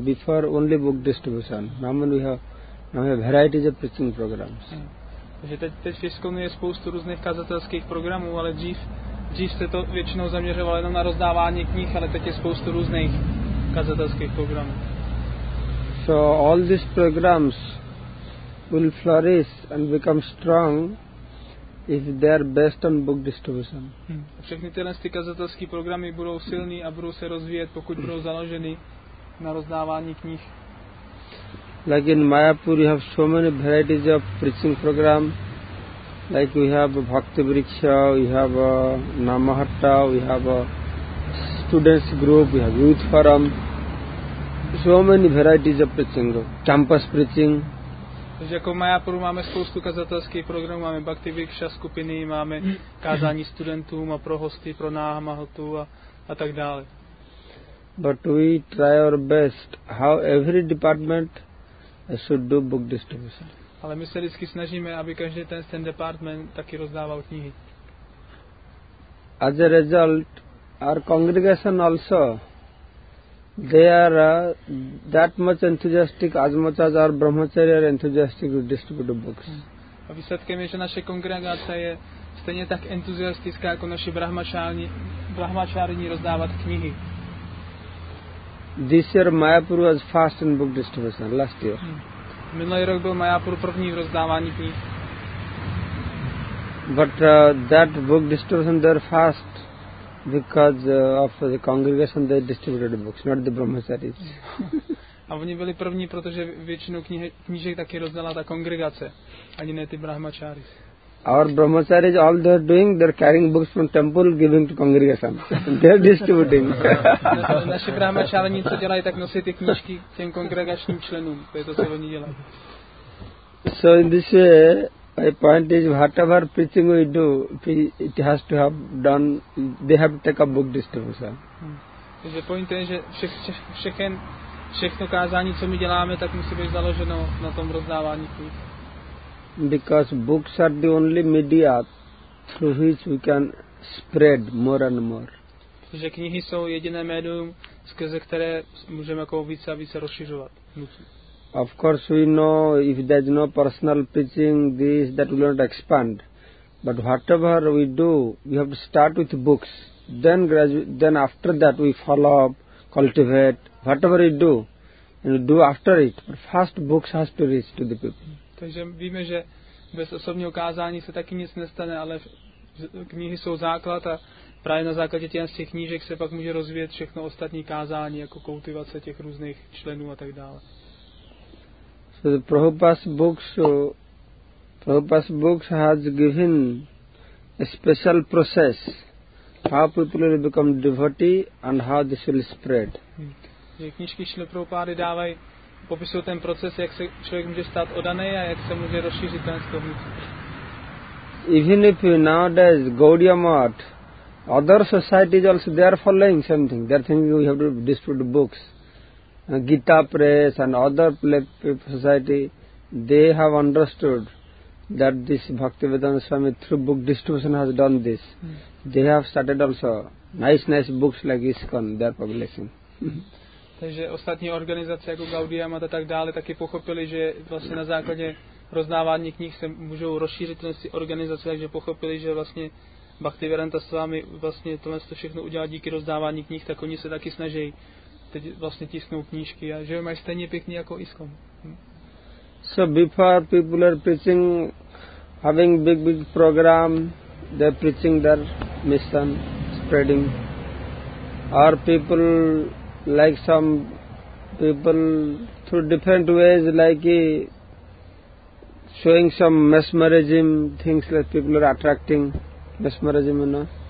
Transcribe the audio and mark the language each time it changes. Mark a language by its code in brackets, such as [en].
[en] Before only book distribution. Now we have varieties of preaching programs. [cs] Takže teď v ISKCONu je spoustu různých kazatelských programů, ale dřív se to většinou zaměřovalo jenom na rozdávání knih, ale teď je spoustu různých kazatelských programů. [en] So all these programs will flourish and become strong if they are based on book distribution. [cs] Všechny tyhle kazatelské programy budou silný a budou se rozvíjet, pokud budou založeny na rozdávání knih. [en] Like in Mayapur you have so many varieties of preaching program. Like we have Bhakti Vriksha, we have Namahatta, we have students group, we have youth forum. So many varieties of preaching, campus preaching. [cs] Takže jako v Mayapuru máme spoustu kazatelských programů, máme Bhakti Vriksha skupiny, máme kázání studentům a pro hosty, pro námahotu a tak dále. [en] But we try our best how every department should do book distribution. [cs] Ale my se vždycky snažíme, aby každý ten department taky rozdával knihy. [en] As a result, our congregation also, they are that much enthusiastic as much as our brahmacharya are enthusiastic to distribute books. [cs] A výsledkem je, že naše kongregace je stejně tak entuziastická jako naši brahmacharyni rozdávat knihy. [en] This year Mayapur was first in book distribution, last year. [cs] Minulý rok byl Mayapur první v rozdávání knih. [en] But that book distribution there first because of the congregation they distributed books, not the brahmacharis. [cs] A oni byli první, protože většinu knížek taky rozdala ta kongregace, ani ne ty brahmacharis. [en] Our brahmacharis, all they're doing, they're carrying books from temple, giving to congregation. They're distributing. [cs] Naši brahmacharini, co dělají, tak nosí ty knížky těm kongregačním členům. To je to, co oni dělají. [en] So in this way, my point is, whatever preaching we do, it has to have done, they have to take a book distribution. [cs] Takže point je, že všechen všechno kázání, co my děláme, tak musí být založeno na tom rozdávání knih. [en] Because books are the only media through which we can spread more and more. [cs] Protože knihy jsou jediné médium, skrze které můžeme jako více a více rozšiřovat. [en] Of course we know if there's no personal preaching, this, that will not expand. But whatever we do, we have to start with books. Then after that we follow up, cultivate, whatever you do, and do after it. But first books has to reach to the people. [cs] Takže víme, že bez osobního kázání se taky nic nestane, ale knihy jsou základ a právě na základě těch knížek se pak může rozvíjet všechno ostatní kázání, jako kultivace těch různých členů a tak dále. [en] So the Prabhupada's books has given a special process how people will become devotee and how this will spread. [cs] Knižky Šrily Prabhupády dávají, popisují ten proces, jak se člověk může stát oddaný a jak se může rozšířit ten stovník. [en] Even if nowadays Gaudiya Math, other societies also, they are following something. They are thinking we have to distribute books. Gita Press and other society, they have understood that this Bhaktivedanta Swami through book distribution has done this. They have started also nice books like ISKCON, they are publishing. [cs] Takže ostatní organizace jako Gaudiya Math a tak dále taky pochopili, že vlastně na základě rozdávání knih se můžou rozšířit tyhle organizace, takže pochopili, že vlastně Bhaktivedanta Swami vlastně tohle všechno udělá díky rozdávání knih, tak oni se taky snaží teď vlastně tisknou knížky a že mají stejně pěkný jako ISKCON. [en] So before people are preaching, having big program, they're preaching their mission, spreading. Or people, like some people, through different ways, like showing some mesmerism, things that people are attracting, mesmerism, you know.